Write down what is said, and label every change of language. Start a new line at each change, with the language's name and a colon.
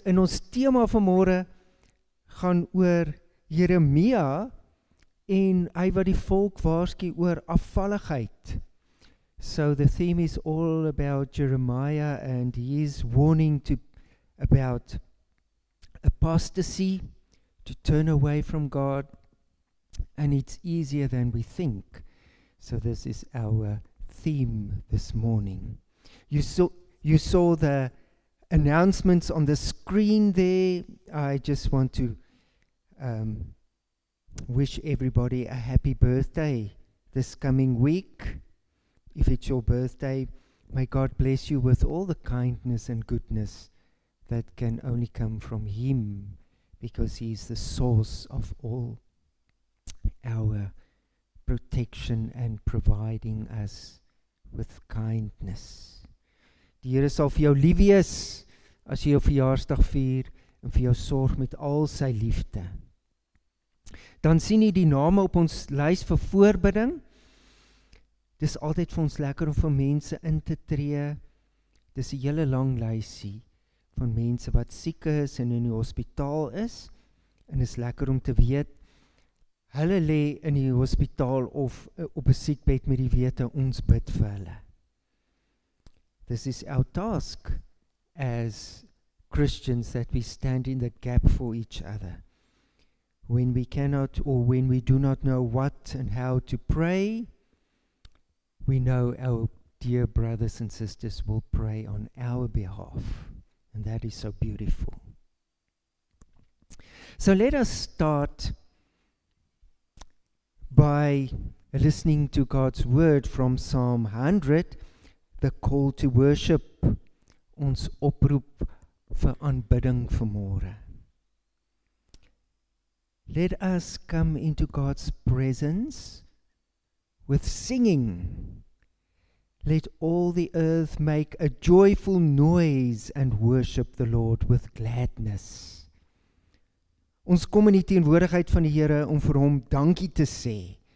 Afrikaans: In ons tema vanmôre gaan oor Jeremia en hy wat die volk waarsku oor afvalligheid.
English: So the theme is all about Jeremiah and his warning to about apostasy, to turn away from God, and it's easier than we think. So this is our theme this morning. You saw the announcements on the screen there. I just want to wish everybody a happy birthday this coming week. If it's your birthday, may God bless you with all the kindness and goodness that can only come from Him, because He is the source of all our protection and providing us with kindness.
Afrikaans: Die Here sal vir jou lief wees as jy jou verjaarsdag vier en vir jou sorg met al sy liefde. Dan sien jy die name op ons lys vir voorbidding. Dis altyd vir ons lekker om vir mense in te tree. Dis 'n hele lang lysie van mense wat siek is en in die hospitaal is. En is lekker om te weet, hulle lê in die hospitaal of op 'n siekbed met die wete, ons bid vir hulle.
English: This is our task as Christians, that we stand in the gap for each other. When we cannot or when we do not know what and how to pray, we know our dear brothers and sisters will pray on our behalf. And that is so beautiful. So let us start by listening to God's word from Psalm 100, the call to worship,
Afrikaans: ons oproep vir aanbidding vanmôre.
English: Let us come into God's presence with singing. Let all the earth make a joyful noise and worship the Lord with gladness.
Afrikaans: Ons kom in die teenwoordigheid van die Here om vir hom dankie te sê.